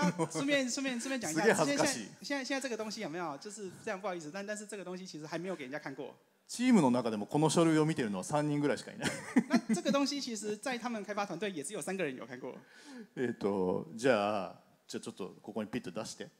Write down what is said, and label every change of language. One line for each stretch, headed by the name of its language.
Chinese: 顺便讲一下。
Japanese: すげえ恥ずかしい。
Chinese: 现在这个东西有没有？就是这样不好意思，但是这个东西其实还没有给人家看过。
Japanese: チームの中でもこの書類を見てるのは3人ぐらいしかいない。
Chinese: 那这个东西其实在他们开发团队也只有三个人有看过。
Japanese: じゃあちょっとここにピッと出して。